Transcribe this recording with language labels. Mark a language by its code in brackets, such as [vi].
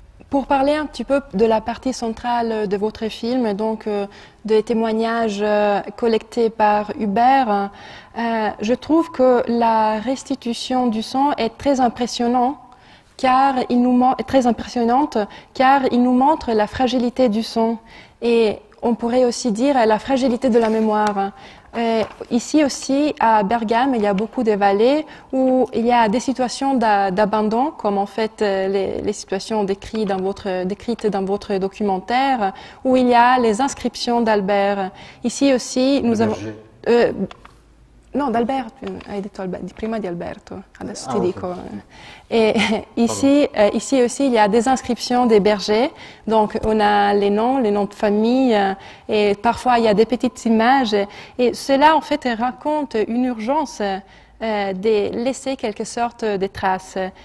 [fr] Pour parler un petit peu de la partie centrale de votre film, donc des témoignages collectés par Hubert, je trouve que la restitution du son est très impressionnante, car il nous montre la fragilité du son et on pourrait aussi dire la fragilité de la mémoire. Et ici aussi, à Bergame, il y a beaucoup de vallées où il y a des situations d'abandon, comme en fait les situations décrites dans votre documentaire, où il y a les inscriptions d'Albert. Ici aussi, nous avons... [it] Non, d'Alberto, hai detto prima di Alberto, adesso ti dico. [en] Okay. [fr] Et ici aussi, il y a des inscriptions des bergers, donc on a les noms de famille, et parfois il y a des petites images, et cela en fait raconte une urgence de laisser quelque sorte des traces.